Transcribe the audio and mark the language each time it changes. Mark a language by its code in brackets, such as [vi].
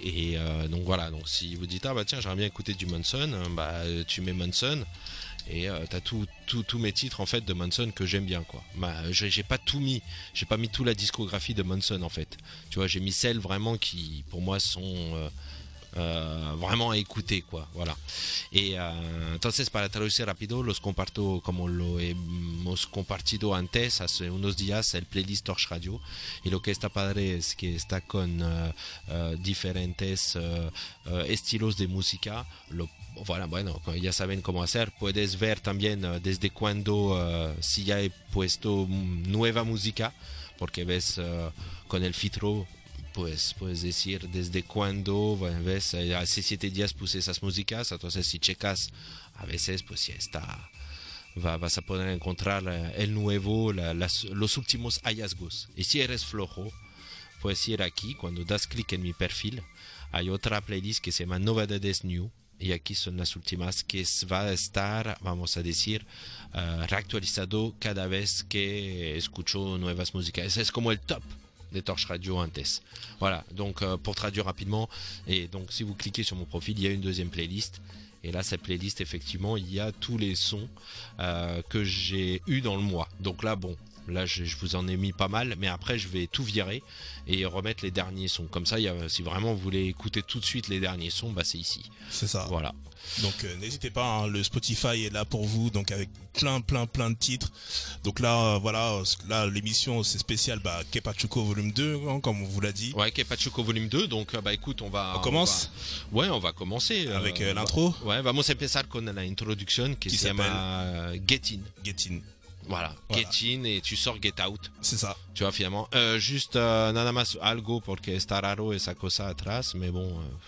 [fr] Et donc voilà, donc si vous dites, tiens, j'aimerais bien écouter du Manson, tu mets Manson et t'as tous mes titres en fait de Manson que j'aime bien, quoi. J'ai pas mis toute la discographie de Manson, en fait, tu vois, j'ai mis celles vraiment qui pour moi sont vraiment à écouter, quoi, voilà. [es] Et entonces para traducir rápido los comparto como lo hemos compartido antes hace unos días el playlist Torche Radio y lo que está padre es que está con diferentes estilos de música. Voilà, bueno, ya saben cómo hacer. Puedes ver también desde cuando si ya he puesto nueva música, porque ves con el filtro, puedes decir desde cuando, bueno, ves, hace 7 días puse esas músicas. Entonces, si checas, a veces, pues ya está. Vas a poder encontrar el nuevo, los últimos hallazgos. Y si eres flojo, puedes ir aquí. Cuando das clic en mi perfil, hay otra playlist que se llama Novedades New. Y aquí son las últimas que va a estar, vamos a decir, reactualizado cada vez que escucho nuevas músicas. Es como el top de Torche Radio antes. [fr] Voilà, donc pour traduire rapidement, et donc si vous cliquez sur mon profil, il y a une deuxième playlist. Et là, cette playlist, effectivement, il y a tous les sons que j'ai eu dans le mois. Donc là, bon, Là, je vous en ai mis pas mal, mais après, je vais tout virer et remettre les derniers sons. Comme ça, si vraiment vous voulez écouter tout de suite les derniers sons, bah, c'est ici. C'est ça. Voilà. Donc, n'hésitez pas, hein, le Spotify est là pour vous, donc avec plein de titres. Donc là, voilà, là, l'émission, c'est spécial, bah, Kepachuko volume 2, hein, comme on vous l'a dit. Ouais, Kepachuko volume 2, donc, bah, écoute, on va. On commence? Ouais, on va commencer. Avec l'intro? [es] Ouais, vamos empezar con la introduction, [fr] qui s'appelle Get In. Voilà, Get In et tu sors Get Out. C'est ça. Tu vois, finalement. [es] Juste, nada más algo, porque está raro esa cosa atrás, [fr] mais bon.